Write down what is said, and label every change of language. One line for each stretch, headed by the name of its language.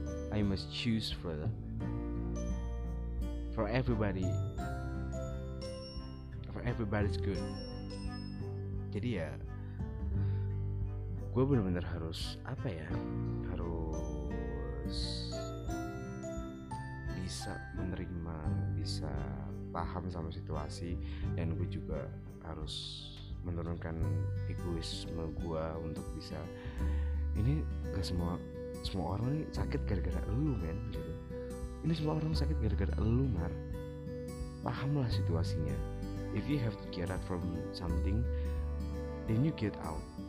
English: I must choose for everybody, for everybody's good.
Indonesian: Jadi ya, gue benar-benar harus apa ya, harus bisa menerima, bisa paham sama situasi, dan gue juga harus menurunkan egoisme gue untuk bisa, ini gak semua orang sakit gara-gara lu men gitu. Ini semua orang sakit gara-gara lu Mar, pahamlah situasinya.
English: If you have to get out from something, then you get out.